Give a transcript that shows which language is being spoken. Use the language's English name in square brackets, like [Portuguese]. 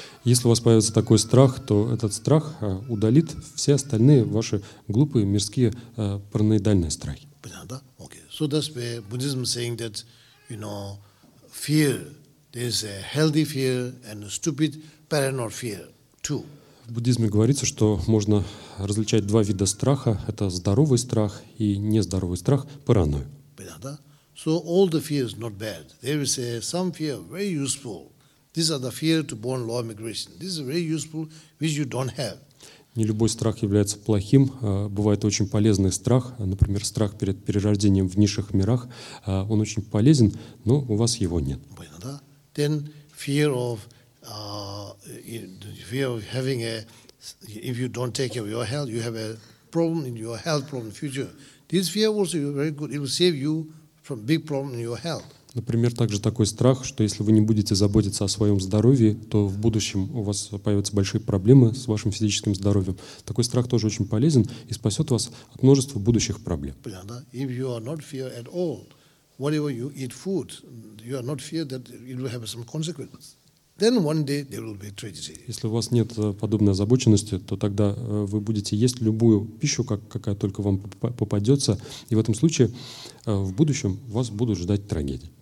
[Russian] Если у вас появится такой страх, то этот страх удалит все остальные ваши глупые, мирские, параноидальные страхи. Понятно, да? Okay. [English] So that's why Buddhism is saying that, you know, fear, there's a healthy fear and a stupid paranoid fear too. [Russian] В буддизме говорится, что можно различать два вида страха. Это здоровый страх и нездоровый страх, паранойя. Понятно? [English] So all the fears not bad. There is some fear very useful. These are the fear to born law immigration. This is very useful, which you don't have. [Russian] Не любой страх является плохим. Бывает очень полезный страх. Например, страх перед перерождением в низших мирах. Он очень полезен, но у вас его нет. Понятно? [English] Then fear of if you're having a, if you don't take care of your health, you have a problem in your health problem in the future. This fear also is very good. It will save you from big problem in your health. [Russian] Например, также такой страх, что если вы не будете заботиться о своем здоровье, то в будущем у вас появятся большие проблемы с вашим физическим здоровьем. Такой страх тоже очень полезен и спасет вас от множества будущих проблем. [English] If you are not fear at all, whatever you eat food, you are not fear that it will have some consequences. Then one day there will be tragedy. [Russian] Если у вас нет подобной озабоченности, то тогда вы будете есть любую пищу, как, какая только вам попадется, и в этом случае в будущем вас будут ждать трагедии.